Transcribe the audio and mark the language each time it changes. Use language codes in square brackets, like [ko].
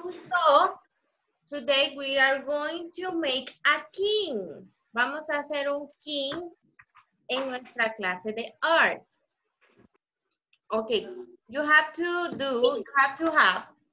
[en] So, today we are going to make a king. [es] Vamos a hacer un king en nuestra clase de art. [en] Okay, you have to do, you have to have.